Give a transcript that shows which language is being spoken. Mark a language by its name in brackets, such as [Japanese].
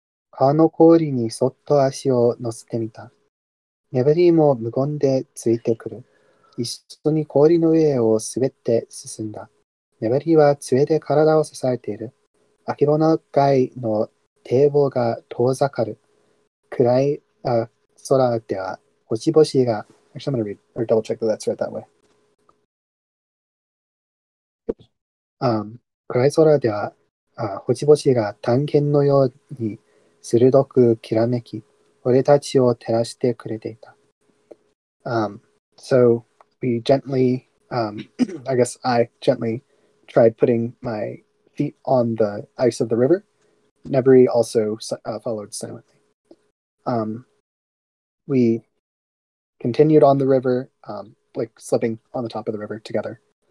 [Japanese] 川の氷にそっと足を乗せてみた。ネブリーも無言でついてくる。一緒に氷の上を滑って進んだ。ネブリーは杖で体を支えている。あけぼの街の堤防が遠ざかる。暗い空では星々が。 [English] Actually, I'm going to read or double check that that's right that way. [Japanese] 暗い空では星々が探検のように鋭くきらめき、俺たちを照らしてくれていた。 [English] So we gently, I guess I gently tried putting my feet on the ice of the river. Nebri also followed silently. We continued on the river, slipping on the top of the river together.